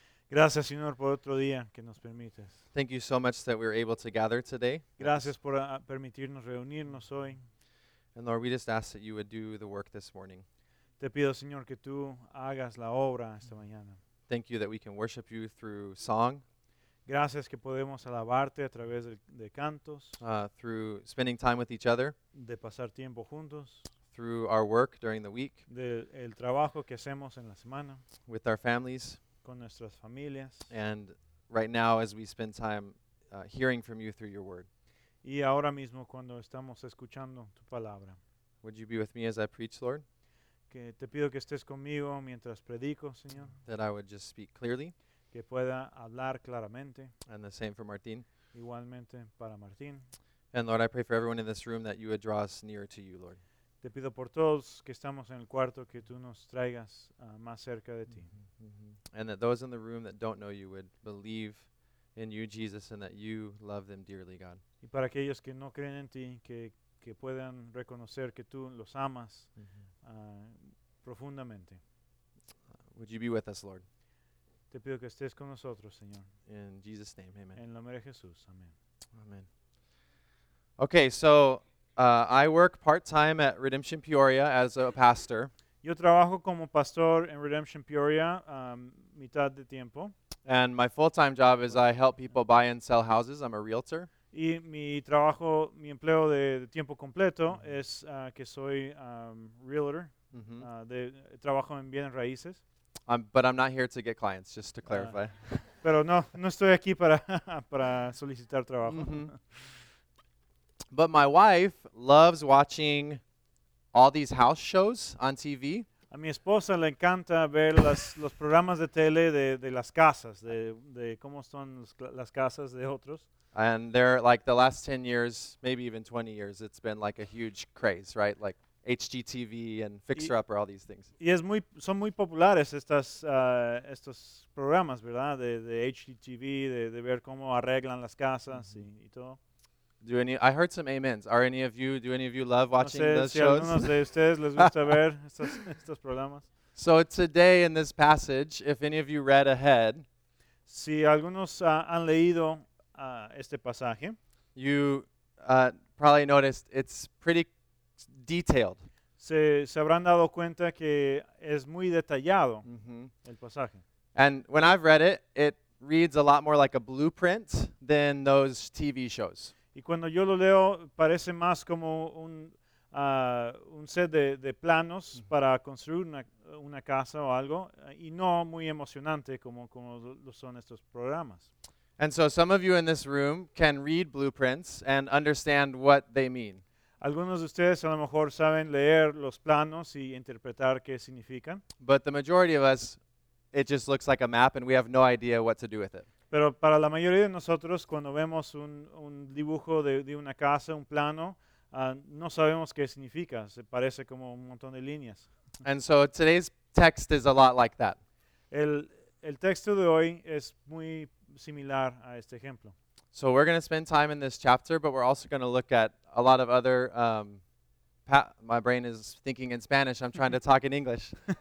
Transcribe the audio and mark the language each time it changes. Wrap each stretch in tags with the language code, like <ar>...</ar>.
<es>Gracias, Señor, por otro día que nos permites.</es> <en>Thank you so much that we were able to gather today.</en> <es>Gracias por permitirnos reunirnos hoy.</es> <en>And Lord, we just ask that you would do the work this morning.</en> <es>Te pido, Señor, que tú hagas la obra esta mañana.</es> <en>Thank you that we can worship you through song.</en> <es>Gracias que podemos alabarte a través de cantos,</es> <en>Through spending time with each other.</en> <es>de pasar tiempo juntos,</es> <en>Through our work during the week.</en> <es>del trabajo que hacemos en la semana,</es> <en>With our families.</en> <es>con nuestras familias.</es> <en>And right now, as we spend time hearing from you through your word.</en> <es>Y ahora mismo cuando estamos escuchando tu palabra.</es> <en>Would you be with me as I preach, Lord?</en> <es>Que te pido que estés conmigo mientras predico, Señor.</es> <en>That I would just speak clearly.</en> <es>Que pueda hablar claramente.</es> <en>And the same for Martín.</en> <es>Igualmente para Martín.</es> <en>And Lord, I pray for everyone in this room that you would draw us nearer to you, Lord.</en> <es>Te pido por todos que estamos en el cuarto que tú nos traigas más cerca de ti.</es> <en>And that those in the room that don't know you would believe in you, Jesus, and that you love them dearly, God.</en> <es>Y para aquellos que no creen en ti, que puedan reconocer que tú los amas profundamente.</es> <en>Would you be with us, Lord?</en> <es>Te pido que estés con nosotros, Señor.</es> <en>In Jesus' name, amen.</en> <es>En el nombre de Jesús, amén.</es> <en>Amen. Okay, so I work part-time at Redemption Peoria as a pastor.</en> <es>Yo trabajo como pastor en Redemption Peoria mitad de tiempo.</es> <en>And my full-time job is I help people buy and sell houses. I'm a realtor.</en> <es>Y mi trabajo, mi empleo de tiempo completo es que soy realtor. Mm-hmm. Trabajo en bienes raíces.</es> <en>But I'm not here to get clients, just to clarify.</en> <es>Pero no estoy aquí para solicitar trabajo. Mm-hmm.</es> <en>But my wife loves watching all these house shows on TV.</en> <es>A mi esposa le encanta ver los programas de tele de las casas, de cómo son las casas de otros.</es> <en>And they're like the last 10 years, maybe even 20 years, it's been like a huge craze, right? Like HGTV and Fixer Upper, all these things.</en> <es>Y son muy populares estos programas, ¿verdad? De HGTV, de ver cómo arreglan las casas y todo.</es> <en>I heard some amens. Do any of you love watching those shows?</en> <es>No sé si a algunos de ustedes les gusta ver estos programas.</es> <en>So today in this passage, if any of you read ahead,</en> <es>si algunos han leído este pasaje,</es> <en>you probably noticed it's pretty detailed.</en> <es>Se habrán dado cuenta que es muy detallado el pasaje.</es> <en>And when I've read it, it reads a lot more like a blueprint than those TV shows.</en> <es>Y cuando yo lo leo, parece más como un set de planos para construir una casa o algo, y no muy emocionante como lo son estos programas.</es> <en>And so some of you in this room can read blueprints and understand what they mean.</en> <es>Algunos de ustedes a lo mejor saben leer los planos y interpretar qué significan.</es> <en>But the majority of us, it just looks like a map and we have no idea what to do with it.</en> <es>Pero para la mayoría de nosotros, cuando vemos un dibujo de una casa, un plano, no sabemos qué significa. Se parece como un montón de líneas.</es> <en>And so today's text is a lot like that.</en> <es>El texto de hoy es muy similar a este ejemplo.</es> <en>So we're going to spend time in this chapter, but we're also going to look at a lot of other... my brain is thinking in Spanish. I'm trying to talk in English.</en>